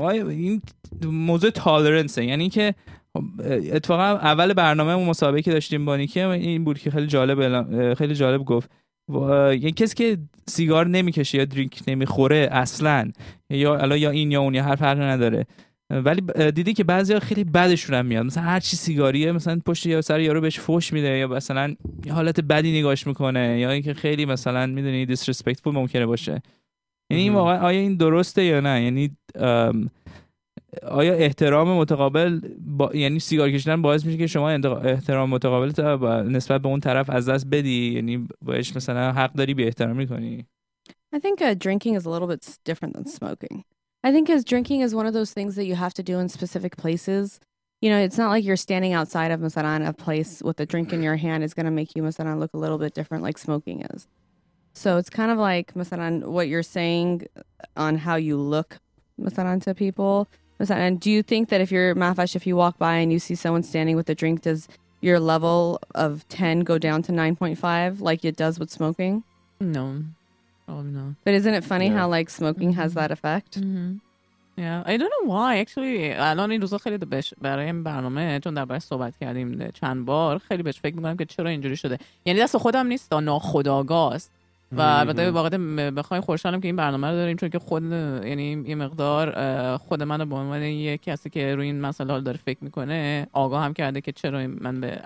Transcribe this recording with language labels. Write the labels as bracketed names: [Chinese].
[Persian] این موضوع تالرنسه، یعنی که اتفاقا اول برنامه اون مسابقه که داشتیم با نیکی این بود که خیلی جالب گفت، یعنی کسی که سیگار نمیکشه یا درینک نمیخوره اصلا، یا این یا اون، یا هر فرقی نداره، ولی دیدی که بعضیا خیلی بدشون هم میاد، مثلا هرچی سیگاریه مثلا پشت یا سر یارو بهش فوش میده، یا مثلا حالت بدی نگاش میکنه، یا اینکه خیلی مثلا میدونی دیسرسپکتفول ممکنه باشه. یعنی واقعا آیا این درسته یا نه؟ یعنی آیا احترام متقابل یعنی سیگار کشیدن باعث میشه که شما احترام متقابل تا نسبت به اون طرف از دست بدی؟ یعنی بهش مثلا حق داری به احترام میکنی؟ [English] I think drinking is a little bit different than smoking. I think because drinking is one of those things that you have to do in specific places. You know, it's not like you're standing outside of مثلاً a place with a drink in your hand is going to make you مثلاً look a little bit different like smoking is. So it's kind of like مثلاً what you're saying on how you look مثلاً to people. مثلاً, do you think that if you're Mahfash, if you walk by and you see someone standing with a drink, does your level of 10 go down to 9.5 like it does with smoking? No. Probably not. But isn't it funny how like smoking has that effect? Mm-hmm. Yeah, I don't know why. [Persian] Actually, الان این روزا خیلی بهش برای این برنامه چون درباره صحبت کردیم چند بار خیلی بهش فکر می‌کنم که چرا اینجوری شده. یعنی دست خودم نیست، ناخودآگاه است. و البته واقعا بخوام خوشحالم که این برنامه رو داریم، چون که خود یعنی یه مقدار خود منو به عنوان یه کسی که روی این مسئله داره فکر میکنه آگاه هم کرده که چرا من به